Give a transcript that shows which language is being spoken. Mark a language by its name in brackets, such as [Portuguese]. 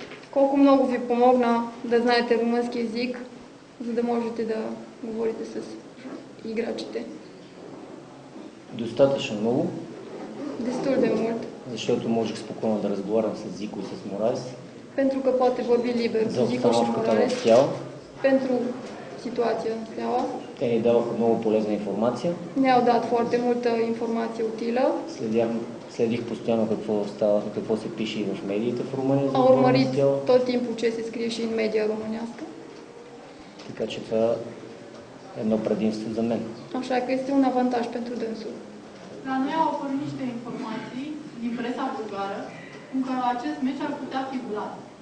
[Bulgarian] Колко много ви помогна да знаете румънски език, за да можете да говорите с играчите? Много. [Romanian] Destul de mult. [Bulgarian] Защото можех спокойно да разговарям с Зико и с Мораес. [Romanian] Pentru că poate vorbi liber cu Зико și Мораес. Pentru situația în steaua. [Bulgarian] Те ни даваха много полезна информация. [Romanian] Ne-au dat foarte multă informație utilă. [Bulgarian] Следих постоянно какво става, какво се пише и в медиите в Румъния. [Romanian] Am urmărit tot timpul ce se scrie și în media românească. [Bulgarian] Така че това е едно предимство за мен. [Romanian] Așa că este un avantaj pentru dânsul. Dar noi au oferit niște informații din presa bulgară, cum că acest meci ar putea fi bulat.